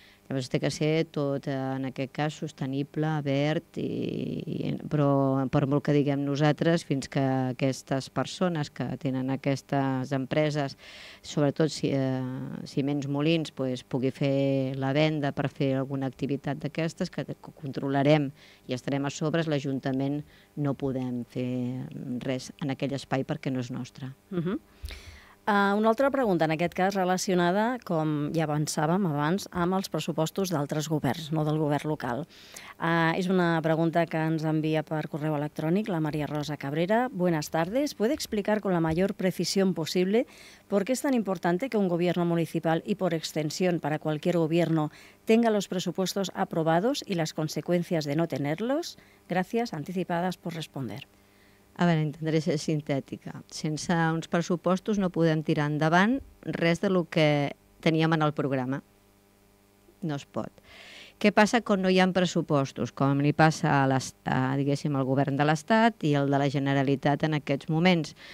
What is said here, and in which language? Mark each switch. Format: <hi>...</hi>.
<ca>Llavors, té que ser tot, en aquest cas, sostenible, verd, però per molt que diguem nosaltres, fins que aquestes persones que tenen aquestes empreses, sobretot Ciments Molins, doncs, pugui fer la venda per fer alguna activitat d'aquestes, que controlarem i estarem a sobres, l'Ajuntament no podem fer res en aquell espai perquè no és nostre. Mm-hmm. Una altra pregunta, en aquest cas relacionada, com ja avançàvem abans, amb els pressupostos d'altres governs, no del govern local. És una pregunta que ens envia per correu electrònic la Maria Rosa Cabrera.</ca> <es>Buenas tardes. ¿Puede explicar con la mayor precisión posible por qué es tan importante que un gobierno municipal y por extensión para cualquier gobierno tenga los presupuestos aprobados y las consecuencias de no tenerlos? Gracias anticipadas por responder.</es> <ca>A veure, intentaré ser sintètica. Sense uns pressupostos no podem tirar endavant res del que teníem en el programa. No es pot. Què passa quan no hi ha pressupostos? Com li passa al govern de l'Estat i el de la Generalitat en aquests moments?</ca>